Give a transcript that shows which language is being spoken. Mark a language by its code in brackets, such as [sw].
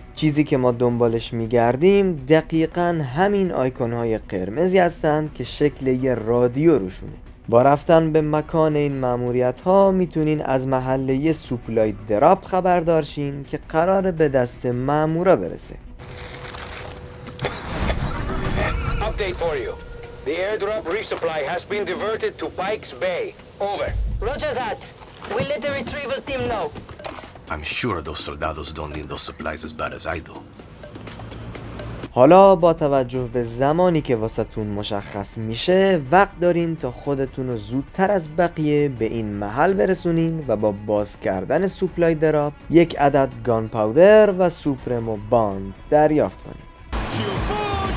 [fa] چیزی که ما دنبالش میگردیم دقیقا همین آیکون های قرمزی هستند که شکل یه رادیو روشونه. با رفتن به مکان این ماموریت ها میتونین از محل یه سوپلای دراب خبردار شین که قراره به دست مامورا برسه. [en] Update for you. The airdrop resupply has been diverted to Pike's Bay. Over. Roger that. We'll let the retrieval team know. I'm sure those soldados don't need those supplies as bad as I do. [fa] حالا با توجه به زمانی که واسهتون مشخص میشه، وقت دارین تا خودتون رو زودتر از بقیه به این محل برسونین و با باز کردن سوپلای دراپ یک عدد گان پاودر و سوپرمو باند دریافت کنین.